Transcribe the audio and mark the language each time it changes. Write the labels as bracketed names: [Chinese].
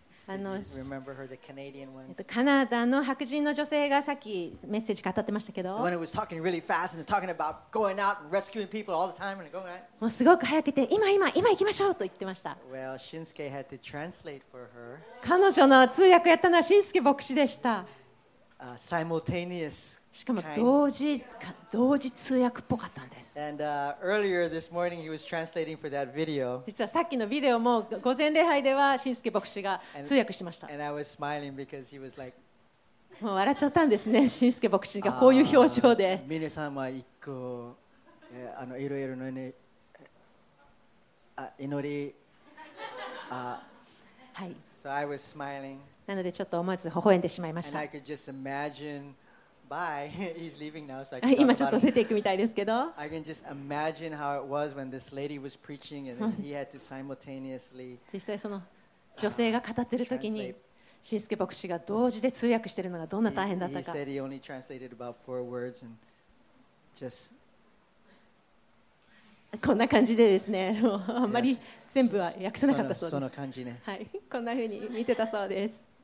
[English] Remember her, the Canadian one? [Japanese] カナダの白人の女性がさっきメッセージ語ってましたけど。 [English] When it was talking really fast and talking about going out and rescuing people all the time and going out. [Japanese] もうすごく早くて今行きましょうと言ってました。 [English] Well, Shinsuke had to translate for her. [Japanese] 彼女の通訳やったのは Shinsuke 牧師でした。 [English] Simultaneous. [Japanese] しかも同時通訳っぽかったんです。 [English] And, earlier this morning he was translating for that video. [Japanese] 実はさっきのビデオも午前礼拝では新助牧師が通訳してました。 [English] And I was smiling because he was like, [Japanese] もう笑っちゃったんですね。新助牧師がこういう表情で。皆さんは一個いろいろのね祈り。はい。 [English] So I was smiling. [Japanese] なのでちょっと思わず微笑んでしまいました。 [English] And I could just imagine. He's leaving now, so、 [Japanese] 今ちょっと出ていくみたいですけど。 [English] I can just imagine how it was when this lady was preaching and he had to simultaneously. [Japanese] 実際その女性が語ってる時に、新助牧師が同時で通訳してるのがどんな大変だったか。 [English] He said he only translated about four words and just. [Japanese] こんな感じでですね、もうあんまり全部は訳せなかったそうです。その感じね。はい、こんな風に見てたそうです。